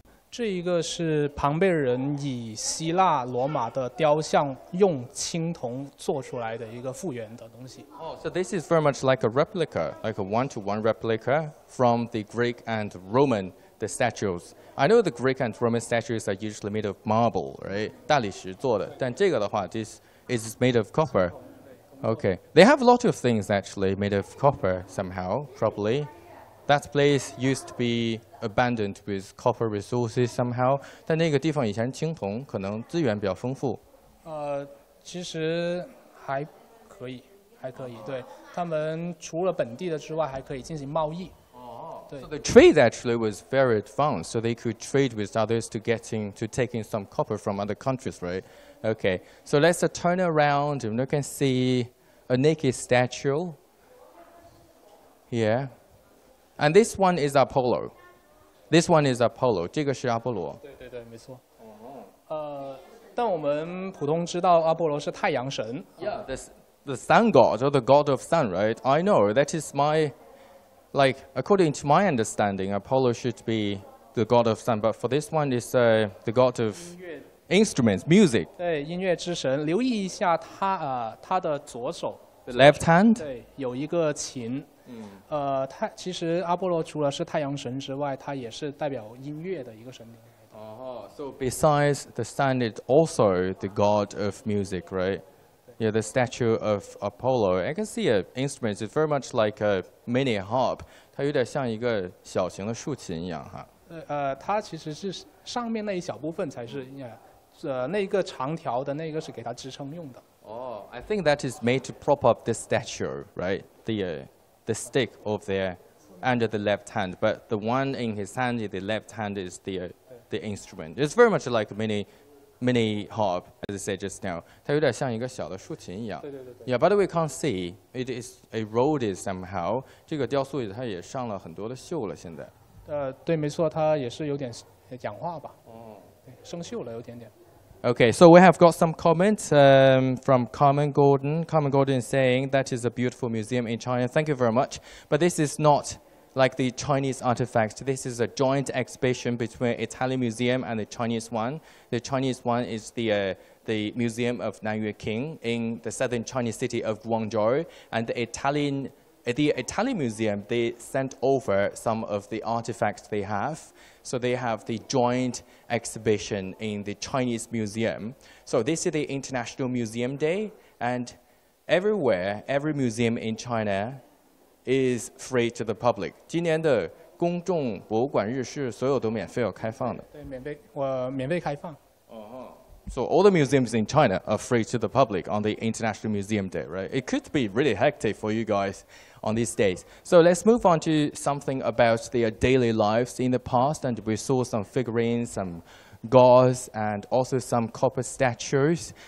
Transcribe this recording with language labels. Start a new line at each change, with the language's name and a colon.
Chinese: 这一个是庞贝人以希腊罗马的雕像用青铜做出来的一个复原的东西。
English: So this is very much like a replica, like a one-to-one replica from the Greek and Roman the statues. I know the Greek and Roman statues are usually made of marble, right?
Chinese: 大理石做的。但这个的话
English: this is made of copper. Okay, they have a lot of things actually made of copper somehow, probably. That place used to be abundant with copper resources somehow.
Chinese: 但那个地方以前青铜可能资源比较丰富。其实还可以，还可以。对，他们除了本地的之外，还可以进行贸易。对。
English: So the trade actually was very advanced, so they could trade with others to getting to taking some copper from other countries, right? Okay, so let's turn around and look and see a naked statue here. And this one is Apollo. This one is Apollo.
Chinese: 这个是阿波罗。对对对，没错。但我们普通知道阿波罗是太阳神。
English: Yeah, the sun god or the god of sun, right? I know, that is my, like, according to my understanding, Apollo should be the god of sun. But for this one, it's the god of... Instruments, music.
Chinese: 对，音乐之神，留意一下他他的左手。
English: The left hand.
Chinese: 对，有一个琴。嗯。他其实阿波罗除了是太阳神之外，他也是代表音乐的一个神灵。
English: So besides the sun, it's also the god of music, right? Yeah, the statue of Apollo. I can see an instrument. It's very much like a mini harp.
Chinese: 它有点像一个小型的竖琴一样哈。它其实是上面那一小部分才是。那个长条的那个是给它支撑用的。
English: I think that is made to prop up the statue, right? The stick of there under the left hand, but the one in his hand, the left hand is the instrument. It's very much like mini harp, as I said just now.
Chinese: 它有点像一个小的竖琴一样。对对对对。
English: Yeah, by the way, can't see. It is eroded somehow.
Chinese: 这个雕塑它也上了很多的锈了，现在。对，没错，它也是有点氧化吧。生锈了有点点。
English: Okay, so we have got some comments from Carmen Gordon. Carmen Gordon is saying that is a beautiful museum in China. Thank you very much. But this is not like the Chinese artifacts. This is a joint exhibition between Italian museum and the Chinese one. The Chinese one is the Museum of Nanyue King in the southern Chinese city of Guangzhou. And the Italian museum, they sent over some of the artifacts they have. So they have the joint exhibition in the Chinese Museum. So this is the International Museum Day, and everywhere, every museum in China is free to the public.
Chinese: 今年的公众博物馆日是所有都免费开放的。对，免费，我免费开放。
English: So all the museums in China are free to the public on the International Museum Day, right? It could be really hectic for you guys on these days. So let's move on to something about their daily lives in the past. And we saw some figurines, some gauze, and also some copper statues.